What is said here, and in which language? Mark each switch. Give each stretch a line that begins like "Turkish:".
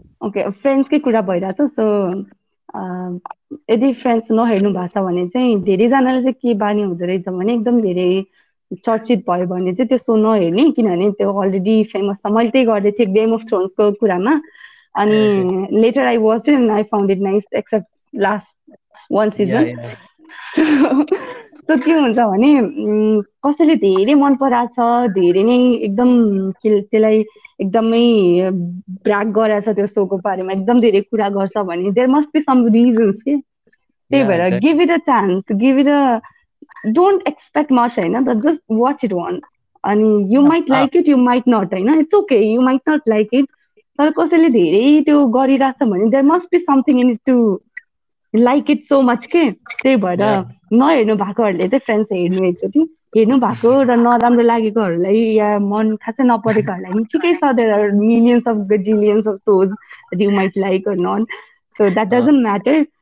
Nepali: Okay, फ्रेन्ड्सकै कुरा भइरहेको छ, सो यदि फ्रेन्ड्स नहेर्नु भएको छ भने चाहिँ धेरैजनाले चाहिँ के बानी हुँदो रहेछ भने, एकदम धेरै चर्चित भयो भने चाहिँ त्यो सो नहेर्ने, किनभने त्यो अलरेडी फेमस छ, मैले त्यही गर्दै थिएँ गेम अफ थ्रोन्सको कुरामा, अनि
English: later I watch and I found it nice except last one season,
Nepali: त्यस्तो के हुन्छ भने कसैले धेरै मन पराएको छ, धेरै नै एकदम त्यसलाई एकदमै ब्राग गराएको छ त्यो सोको बारेमा, एकदम धेरै कुरा गर्छ भने
English: there must be some reasons
Nepali: के. त्यही या भएर
English: Exactly give it a chance, give it a don't expect much होइन, the just watch it one अनि you might like it, you might not, होइन it's okay, you might not like it.
Nepali: तर कसैले धेरै त्यो गरिरहेको छ भने
English: there must be something in it to like it so much
Nepali: के. त्यही भएर नहेर्नु भएकोहरूले चाहिँ फ्रेन्ड्स हेर्नु एकचोटि, हेर्नु भएको र नराम्रो लागेकोहरूलाई या मन खासै नपरेकोहरूलाई ठिकै छ,
English: There are millions of gazillions of those you might like or none, so that doesn't matter.